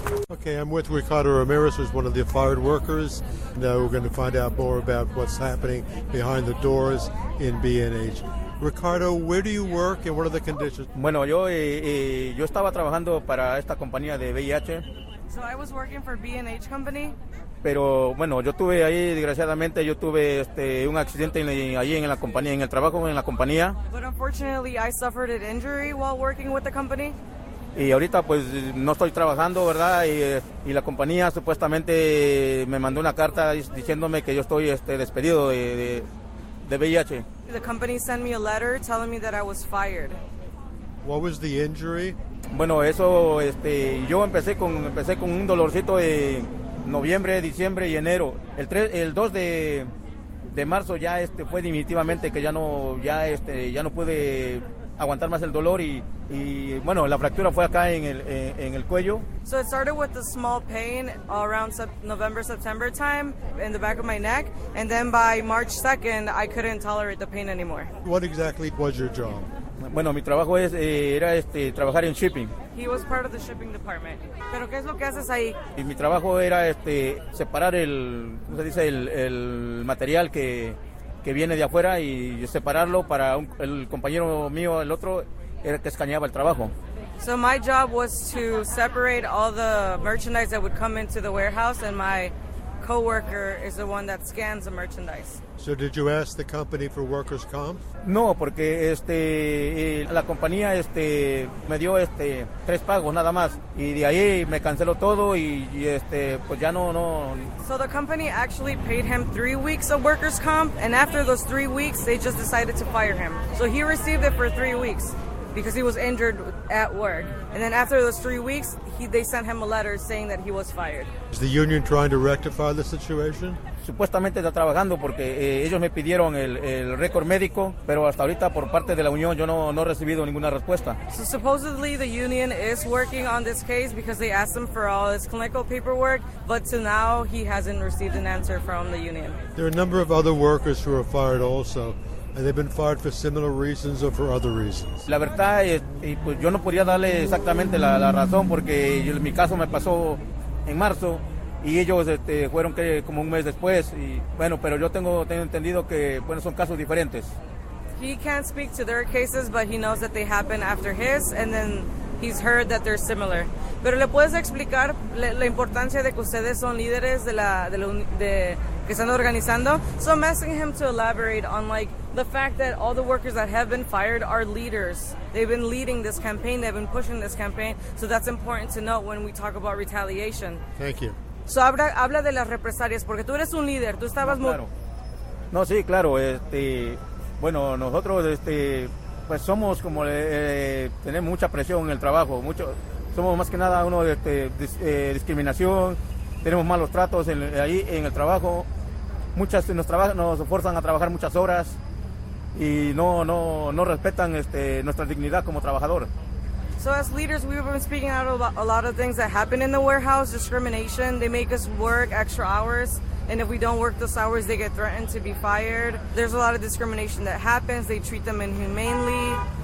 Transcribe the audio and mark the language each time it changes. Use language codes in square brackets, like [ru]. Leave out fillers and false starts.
[en] Okay, I'm with Ricardo Ramirez, who's one of the fired workers. Now we're going to find out more about what's happening behind the doors in B&H. Ricardo, where do you work and what are the conditions? [es] Bueno, yo estaba trabajando para esta compañía de VIH. [en] So I was working for B&H Company. [es] Pero bueno, yo tuve ahí, desgraciadamente, yo tuve un accidente ahí en la compañía, en el trabajo, en la compañía. [en] But unfortunately, I suffered an injury while working with the company. [es] Y ahorita pues no estoy trabajando, ¿verdad? Y la compañía supuestamente me mandó una carta diciéndome que yo estoy despedido de VIH. [en] The company sent me a letter telling me that I was fired. What was the injury? [es] Bueno, eso yo empecé con un dolorcito de noviembre, diciembre y enero. El 2 de marzo ya fue definitivamente que ya no pude aguantar más el dolor y bueno, la fractura fue acá en el cuello. [en] So it started with a small pain around November, September time in the back of my neck, and then by March 2nd I couldn't tolerate the pain anymore. What exactly was your job? [es] Bueno, mi trabajo era trabajar en shipping. [en] He was part of the shipping department. [es] ¿Pero qué es lo que haces ahí? Y mi trabajo era separar el, ¿cómo se dice? El material que viene de afuera y separarlo para el compañero mío, el otro, era que escaneaba el trabajo. [en] So my job was to separate all the merchandise that would come into the warehouse, and my coworker is the one that scans the merchandise. So did you ask the company for workers' comp? [es] No, porque la compañía me dio tres pagos nada más, y de ahí me canceló todo y pues ya no. [en] So the company actually paid him 3 weeks of workers' comp, and after those 3 weeks, they just decided to fire him. So he received it for 3 weeks because he was injured at work. And then after those 3 weeks, they sent him a letter saying that he was fired. Is the union trying to rectify the situation? [es] Supuestamente está trabajando porque ellos me pidieron el récord médico, pero hasta ahorita por parte de la unión yo no he recibido ninguna respuesta. [en] So supposedly the union is working on this case because they asked him for all his clinical paperwork, but to now he hasn't received an answer from the union. There are a number of other workers who are fired also. And they've been fired for similar reasons or for other reasons. [es] La verdad es, pues yo no podía darle exactamente la razón porque mi caso me pasó en marzo y ellos fueron como un mes después. Y bueno, pero yo tengo entendido que bueno son casos diferentes. [en] He can't speak to their cases, but he knows that they happen after his, and then he's heard that they're similar. [es] Pero le puedes explicar la importancia de que ustedes son líderes de que están organizando. [en] So I'm asking him to elaborate on the fact that all the workers that have been fired are leaders. They've been leading this campaign, they've been pushing this campaign, so that's important to note when we talk about retaliation. Thank you. [es] So habla de las represalias, porque tú eres un líder, tú estabas... No, claro. No, sí, claro, bueno, nosotros, pues somos como, tenemos mucha presión en el trabajo, somos más que nada uno de discriminación, tenemos malos tratos ahí en el trabajo, muchas nos forzan a trabajar muchas horas, y no respetan nuestra dignidad como trabajador. [en] So as leaders, we've been speaking out about a lot of things that happen in the warehouse. Discrimination, they make us work extra hours, and if we don't work those hours, they get threatened to be fired. There's a lot of discrimination that happens. They treat them inhumanely.